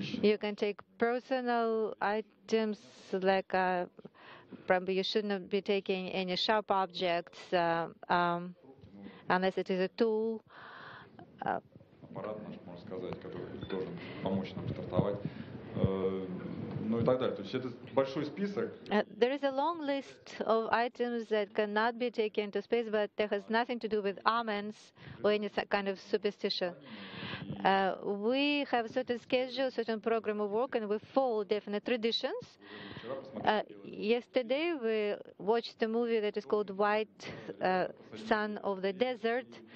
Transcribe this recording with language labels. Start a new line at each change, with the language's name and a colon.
English: You can take personal items, like probably you shouldn't be taking any sharp objects unless it is a tool.
Russian: Аппарат наш, можно сказать, который должен помочь нам стартовать, ну и так далее. То есть это большой список.
English: There is a long list of items that cannot be taken to space, but there has nothing to do with omens or any kind of superstition. We have a certain schedule, certain program of work, and we follow definite traditions. Yesterday we watched a movie that is called White Son of the Desert.